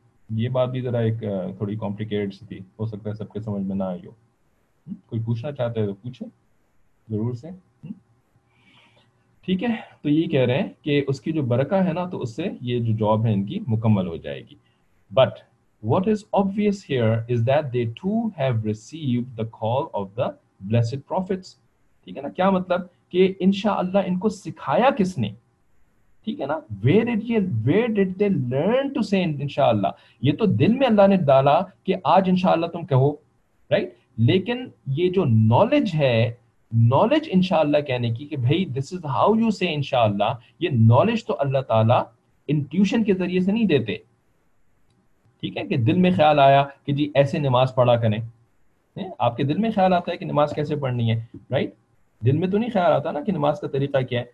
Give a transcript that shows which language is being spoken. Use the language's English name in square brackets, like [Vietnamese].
[Urdu] یہ بات بھی ذرا ایک تھوڑی کمپلیکیٹڈ سی تھی, ہو سکتا ہے سب کے سمجھ میں نہ آئی ہو, کوئی پوچھنا چاہتے ہیں تو پوچھے ضرور سے, ٹھیک ہے. تو یہ کہہ رہے ہیں کہ اس کی جو برکہ ہے نا, تو اس سے یہ جو جاب ہے ان کی مکمل ہو جائے گی. [English] But what is obvious here is that they too have received the call of the blessed prophets. [Urdu] ٹھیک ہے نا, کیا مطلب کہ انشاءاللہ ان کو سکھایا کس نے, ٹھیک ہے نا, [English] where did they learn to say [Urdu] انشاءاللہ, یہ تو دل میں اللہ نے ڈالا کہ آج انشاءاللہ تم کہو, right? لیکن یہ جو knowledge ہے, knowledge انشاءاللہ کہنے کی, کہ بھائی [English] this is how you say [Urdu] انشاءاللہ, یہ knowledge تو اللہ تعالیٰ intuition کے ذریعے سے نہیں دیتے, ٹھیک ہے, کہ دل میں خیال آیا کہ جی ایسے نماز پڑھا کریں, آپ کے دل میں خیال آتا ہے کہ نماز کیسے پڑھنی ہے, رائٹ, دل میں تو نہیں خیال آتا نا کہ نماز کا طریقہ کیا ہے.